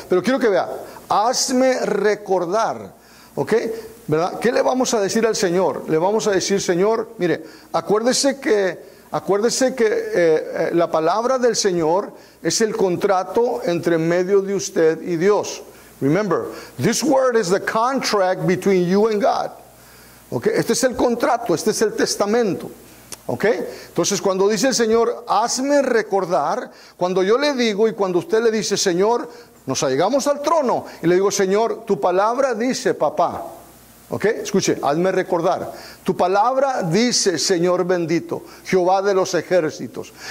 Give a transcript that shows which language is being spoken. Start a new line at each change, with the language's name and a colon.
Spanish: Pero quiero que vea, hazme recordar, ¿ok? ¿Verdad? ¿Qué le vamos a decir al Señor? Le vamos a decir, Señor, mire, acuérdese que la palabra del Señor es el contrato entre medio de usted y Dios.
English: Remember, this word is the contract between you and God.
Spanish: Okay, este es el contrato, este es el testamento. Okay, entonces cuando dice el Señor, hazme recordar, cuando yo le digo y cuando usted le dice, Señor, nos allegamos al trono y le digo, Señor, tu palabra dice, papá. Okay, escuche, hazme recordar. Tu palabra dice, Señor bendito, Jehová de los ejércitos.